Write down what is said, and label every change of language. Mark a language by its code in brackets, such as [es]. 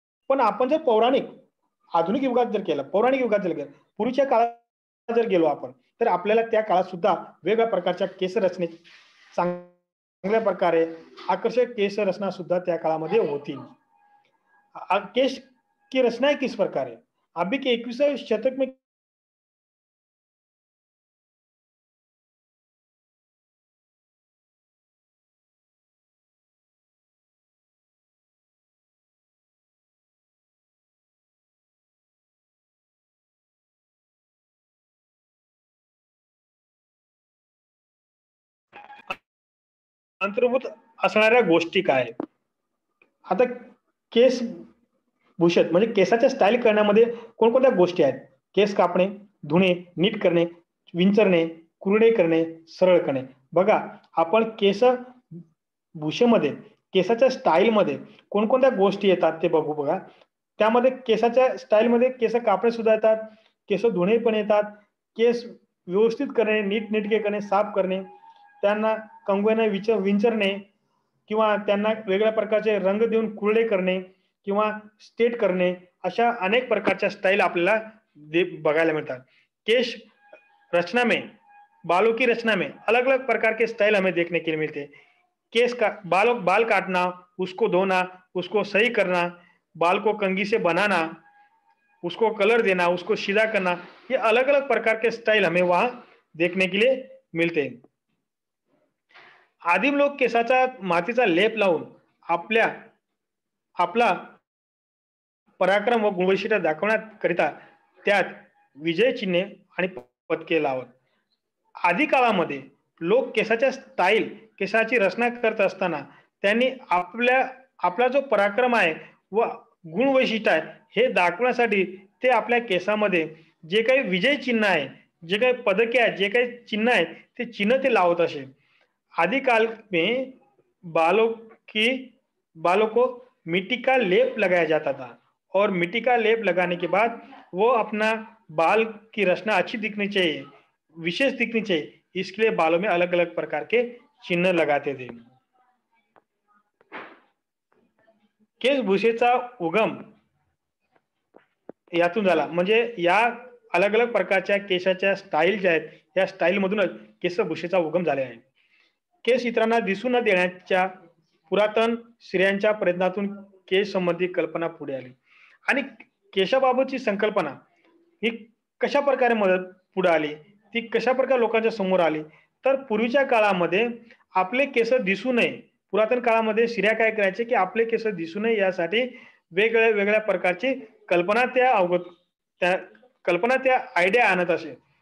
[mr] पण आपण जर पौराणिक युगात जर गेलं पूर्वीच्या काळात जर गेलो आपण, तर आपल्याला त्या काळात सुद्धा वेगळ्या प्रकारच्या केसरचने चांगल्या प्रकारे आकर्षक केसरचना सुद्धा त्या काळामध्ये होती. [hi] केश की रचना आहे किस प्रकारे अभि के 21व्या शतक में [mr] अंतर्भूत असणाऱ्या गोष्टी काय? आता केस भूषण म्हणजे केसाच्या स्टाईल करण्यामध्ये कोणकोणत्या गोष्टी आहेत? केस कापणे, धुणे, नीट करणे, विंचरणे, कुरडे करणे, सरळ करणे. बघा आपण केस भूषेमध्ये केसाच्या स्टाईलमध्ये कोणकोणत्या गोष्टी येतात ते बघू. बघा त्यामध्ये केसाच्या स्टाईलमध्ये केस कापणे सुद्धा येतात, केस धुणे पण येतात, केस व्यवस्थित करणे, नीट नीटके करणे, साफ करणे, त्यांना कंगव्याने विंचरणे किंवा त्यांना वेगळ्या प्रकारचे रंग देऊन कुरडे करणे किंवा स्टेट करणे, अशा अनेक प्रकारच्या स्टाईल आपल्याला बघायला मिळतात. [hi] केश रचना में, बालों की रचना में अलग अलग प्रकार के स्टाईल हमें देखने के लिए मिलते. केस का बाल काटना, उसको धोना, उसको सही करना, बाल को कंघी से बनाना, उसको कलर देना, उसको सीधा करना, ये अलग अलग प्रकार के स्टाईल हमें वहां देखने के लिए मिलते. [mr] आदिम लोक केसाचा मातीचा लेप लावून आपला पराक्रम व गुणवैशिष्ट्य दाखवण्याकरिता त्यात विजय चिन्हे आणि पदके लावत. आदि काळामध्ये लोक केसाच्या स्टाईल केसाची रचना करत असताना त्यांनी आपला जो पराक्रम आहे व गुण वैशिष्ट्य आहे हे दाखवण्यासाठी ते आपल्या केसामध्ये जे काही विजय चिन्ह आहे, जे काही पदके आहे, जे काही चिन्ह आहे ते चिन्ह ते लावत असे. [hi] आदि काल में बालों को मिट्टी का लेप लगाया जाता था और मिट्टी का लेप लगाने के बाद वो अपना बाल की रचना अच्छी दिखनी चाहिए, विशेष दिखनी चाहिए, इसके लिए बालों में अलग अलग प्रकार के चिन्ह लगाते थे. [mr] केस भूषेचा उगम यातून झाला, म्हणजे या [hi] अलग अलग [mr] प्रकारच्या केसाच्या स्टाईल ज्या आहेत या स्टाईल मधूनच केस भूषेचा उगम झाले आहे. केस इतरांना दिसू न देण्याच्या पुरातन स्त्रियांच्या प्रयत्नातून केस संबंधी कल्पना पुढे आली आणि केशाबाबतची संकल्पना ही कशा प्रकारे मदत पुढे आली, ती कशा प्रकारे लोकांच्या समोर आली, तर पूर्वीच्या काळामध्ये आपले केस दिसू नये, पुरातन काळामध्ये स्त्रिया काय करायचे की आपले केस दिसू नये यासाठी वेगळ्या वेगळ्या प्रकारची कल्पना त्या अवगत त्या कल्पना त्या आयडिया आणत असे.